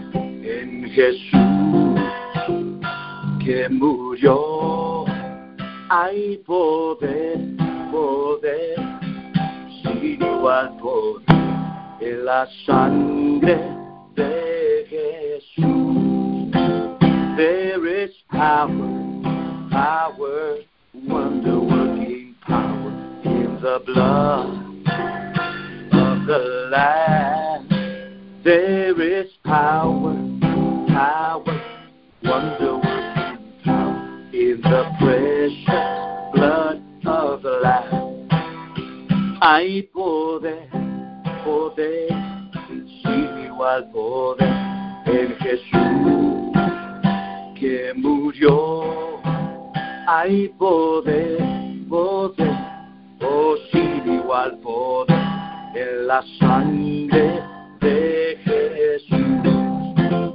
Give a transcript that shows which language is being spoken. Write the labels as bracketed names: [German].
[Spanish] En Jesús que murió hay poder, poder, sin igual poder en la sangre de Jesús. [English] There is power, power, wonder-working power in the blood of the Lamb. There is power, power, wonder-working power in the precious blood of the Lamb. [Spanish] Hay poder, poder, sin igual poder en Jesús que murió. Hay poder, poder, oh, sin igual poder en la sangre de Jesús.